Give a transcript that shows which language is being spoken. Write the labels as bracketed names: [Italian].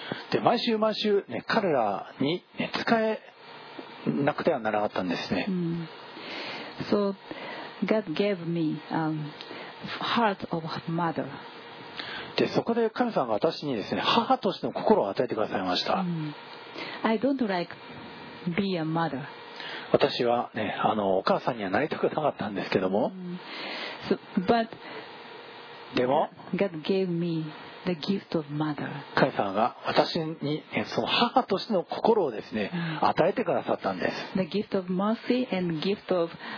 [Japanese] で、毎週毎週、ね、彼らに、ね、使えなくてはならなかったんですね。 [English] So God gave me heart of mother. [Japanese] で、そこで神様が私にですね、母としての心を与えてくださいました。 [English] I don't like be a mother. [Japanese] 私はね、お母さんにはなりたくなかったんですけども。 [English] But [Japanese] でも、 [English] God gave me the gift of mother. [Japanese] 神様が私にその母としての心をですね、与えてくださったんです。 [English] The gift of mercy and gift of